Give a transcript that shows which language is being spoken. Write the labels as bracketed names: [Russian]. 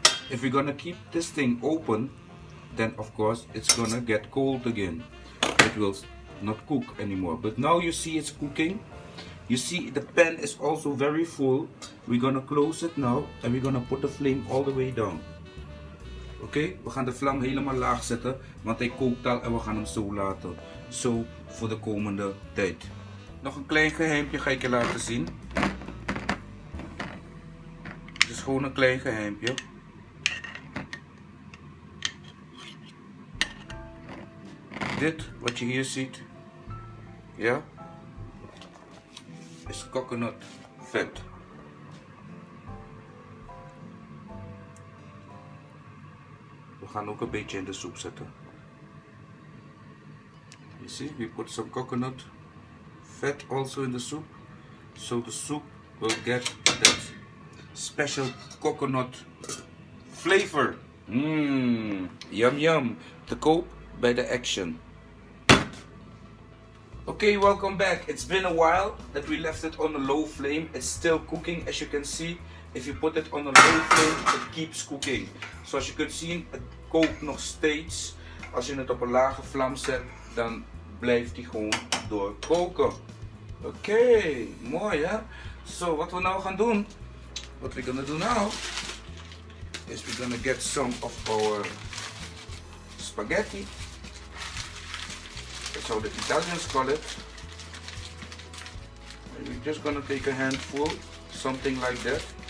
[English] if we're gonna keep this thing open, then of course it's gonna get cold again. It will not cook anymore. But now you see it's cooking. You see the pan is also very full. We're gonna close it now and we're gonna put the flame all the way down. [Dutch] Okay, we gaan de vlam helemaal laag zetten, want hij kookt al en we gaan hem zo laten. Zo voor de komende tijd. Nog een klein geheimpje ga ik je laten zien. Het is gewoon een klein geheimpje. Dit wat je hier ziet, ja, is coconut vet. We gaan ook een beetje in de soep zetten. [English] You see, we put some coconut fat also in the soup, so the soup will get that special coconut flavor. [Dutch] Yum yum. Te koop bij de Action. [English] Okay, welcome back. It's been a while that we left it on a low flame. It's still cooking, as you can see. If you put it on a low flame, it keeps cooking. So as you can see, it [Dutch] kookt nog steeds. Als je het op een lage vlam zet, dan blijft die gewoon door koken. Okay, mooi hè? [English] So what we [Dutch] nou gaan doen, [English] what we're gonna do now, is we're gonna get some of our spaghetti. That's how the Italians call it. And we're just gonna take a handful, something like that.